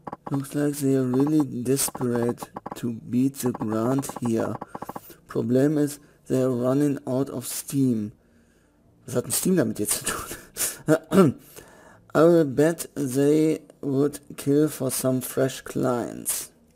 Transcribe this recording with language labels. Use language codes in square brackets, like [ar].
[en] Looks like they are really desperate to beat the grant here. Problem is they are running out of steam. [de] Was hat denn Steam damit jetzt zu tun? [en] I will bet they would kill for some fresh clients.